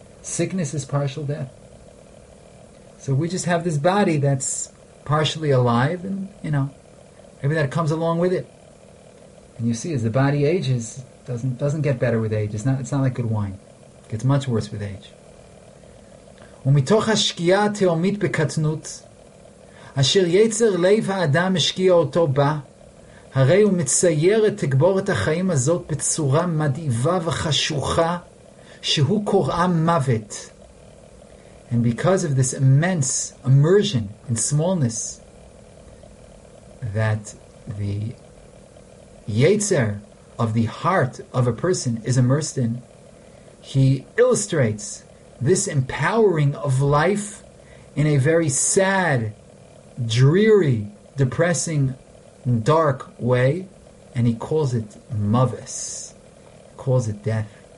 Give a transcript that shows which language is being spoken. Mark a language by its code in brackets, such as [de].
[en] Sickness is partial death. So we just have this body that's partially alive, and, you know, maybe that comes along with it. And you see, as the body ages, it doesn't get better with age. It's not like good wine. It gets much worse with age. [he] Umitoch ha-shkia te'omit be-katnut, asher yetzer lev ha-adam shkia oto ba, הרי הוא מצייר את תגבורת החיים הזאת בצורה מדהיבה וחשוכה שהוא קוראה מוות. [en] And because of this immense immersion in smallness that the yetzer of the heart of a person is immersed in, he illustrates this empowering of life in a very sad, dreary, depressing dark way, and he calls it mavis, calls it death.